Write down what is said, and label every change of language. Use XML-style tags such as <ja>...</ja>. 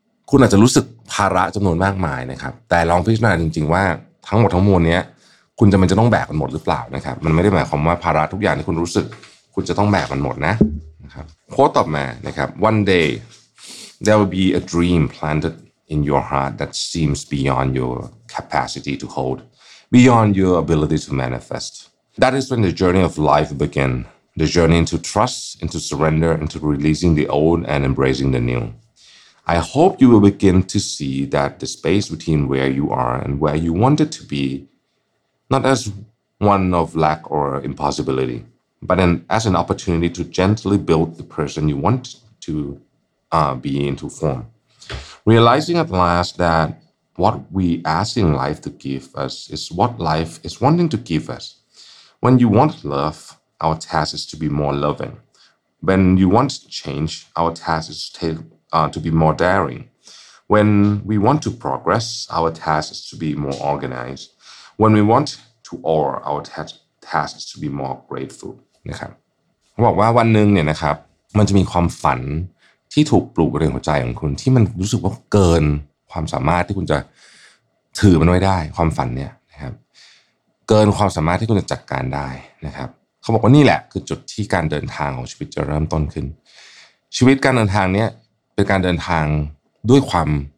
<th>คุณอาจจะรู้สึกภาระจำนวนมากมายนะครับแต่ลองพิจารณาจริงๆว่าทั้งหมดทั้งมวลนี้คุณจะมันจะต้องแบกมันหมดหรือเปล่านะครับมันไม่ได้หมายความว่าภาระทุกอย่างที่คุณรู้สึกคุณจะต้องแบกมันหมดนะครับโค้ดต่อมานะครับ</th> <en>one day there will be a dream planted in your heart that seems beyond your capacity to hold beyond your ability to manifest that is when the journey of life beginThe journey into trust, into surrender, into releasing the old and embracing the new. I hope you will begin to see that the space between where you are and where you want it to be, not as one of lack or impossibility, but as an opportunity to gently build the person you want to be into form. Realizing at last that what we ask in life to give us is what life is wanting to give us. When you want love,Our task is to be more loving. When you want change, our task is to be more daring. When we want to progress, our task is to be more organized. When we want to awe, our task is to be more grateful.</en> <th>นะครับเขาบอกว่าวันหนึ่งเนี่ยนะครับมันจะมีความฝันที่ถูกปลูกในหัวใจของคุณที่มันรู้สึกว่าเกินความสามารถที่คุณจะถือมันไว้ได้ความฝันเนี่ยนะครับเกินความสามารถที่คุณจะจัดการได้นะครับเขาบอกว่านี่แหละคือจุดที่การเดินทางของชีวิตจะเริ่มต้นขึ้นชีวิตการเดินทางนี้เป็นการเดินทางด้วยความ</th>